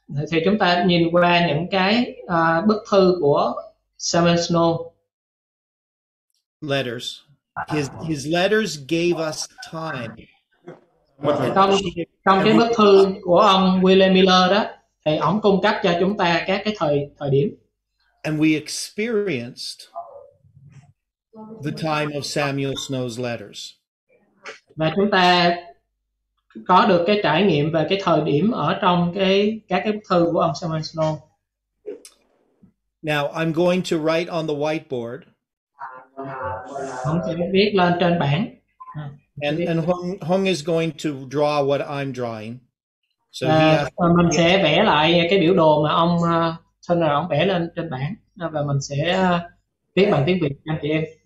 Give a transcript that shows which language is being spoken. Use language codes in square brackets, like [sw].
[vi] Thì chúng ta nhìn qua những cái bức thư của Samuel Snow. [en] Letters. His letters gave us time. [vi] Trong cái bức thư của ông William Miller đó, thì ông cung cấp cho chúng ta các cái thời điểm. [en] And we experienced the time of Samuel Snow's letters. [vi] Và chúng ta có được cái trải nghiệm về cái thời điểm ở trong cái các cái bức thư của ông Samuel Snow. [en] Now I'm going to write on the whiteboard. [vi] Hồng sẽ viết lên trên bảng. [en] And Hồng is going to draw what I'm drawing. [vi] So mình sẽ vẽ lại cái biểu đồ mà ông Turner ông vẽ lên trên bảng và mình sẽ viết bằng tiếng Việt cho anh chị em.